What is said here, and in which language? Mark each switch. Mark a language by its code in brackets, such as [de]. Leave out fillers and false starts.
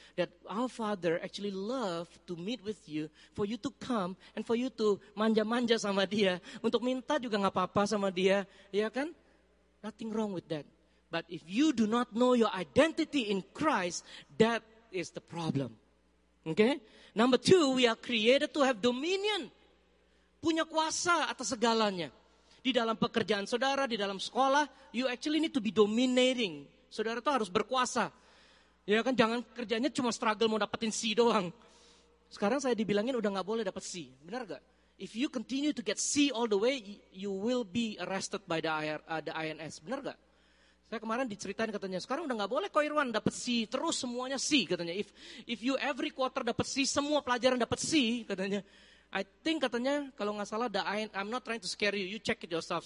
[en] That our Father actually love to meet with you, for you to come and for you to manja-manja sama dia. [id] Untuk minta juga gak apa-apa sama dia. Ya kan? [en] Nothing wrong with that. But if you do not know your identity in Christ, that is the problem. Okay? Number 2, we are created to have dominion. [id] Punya kuasa atas segalanya. Di dalam pekerjaan saudara, di dalam sekolah, [en] you actually need to be dominating. [id] Saudara tuh harus berkuasa. Ya kan, jangan kerjanya cuma [en] struggle mau [id] dapetin C doang. Sekarang saya dibilangin udah gak boleh dapet C. Benar gak? [en] If you continue to get C all the way, you will be arrested by the INS. [id] Benar gak? Saya kemarin diceritain katanya, sekarang udah gak boleh kok Irwan dapet C, terus semuanya C katanya. [en] If you every quarter [id] dapet C, semua pelajaran dapet C katanya. [en] I think [id] katanya, kalau gak salah, [en] I'm not trying to scare you, you check it yourself.